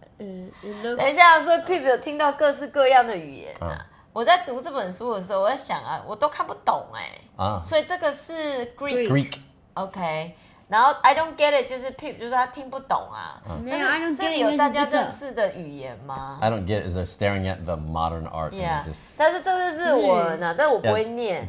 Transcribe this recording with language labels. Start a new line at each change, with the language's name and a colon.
Chinese: 等一下，所以 Pip 有听到各式各样的语言、我在读这本书的时候，我在想啊，我都看不懂哎、所以这个是 Greek.
English: Greek.
Chinese: Okay. 然后
English: I don't get it
Chinese: 就是 Pip 就是他听不懂啊。这里有大家认识的语言吗
English: ？I don't get is they're staring at the modern art. Yeah.
Chinese: 但是这是日文啊，但我不会念。